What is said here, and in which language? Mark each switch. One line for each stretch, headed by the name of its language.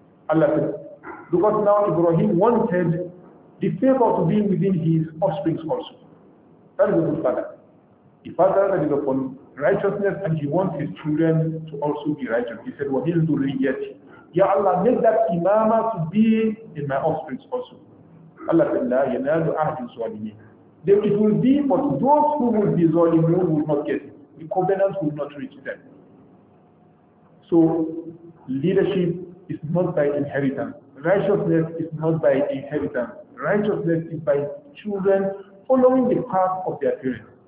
English: Allah said, because now Ibrahim wanted the favor to be within his offspring also. That is a good father. The father that is upon righteousness, and he wants his children to also be righteous. He said,
Arabic: وَمِنْ ذُرِّيَّتِي.
English: Ya Allah, make that imama to be in my offspring also. Allah said,
Arabic: لَا يَنَالُ أَهْدٍ صَوَلِمِينَ.
English: It will be, but those who will be zalim will not get it. The covenant will not reach them. So leadership is not by inheritance. Righteousness is not by inheritance. Righteousness is by children following the path of their parents.